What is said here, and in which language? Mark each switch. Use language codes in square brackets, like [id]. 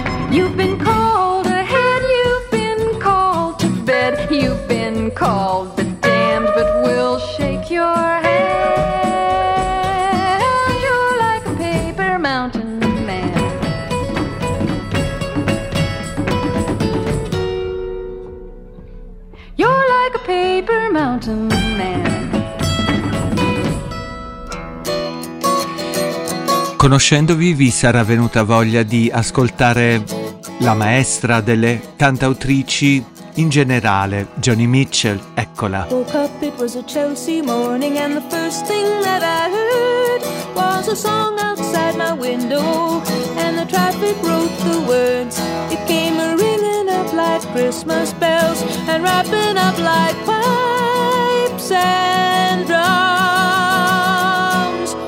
[en] You've been called ahead, you've been called to bed, you've been called the damned, but we'll shake your hand. You're like a paper mountain man. You're like a paper mountain man. [it] Conoscendovi, vi sarà venuta voglia di ascoltare la maestra delle cantautrici in generale, Joni Mitchell, eccola. [en] Woke up, it was a Chelsea morning, and the first thing that I heard was a song outside my window, and the traffic wrote the words. It came a ringing up like Christmas bells, and wrapping up like pipes and drums.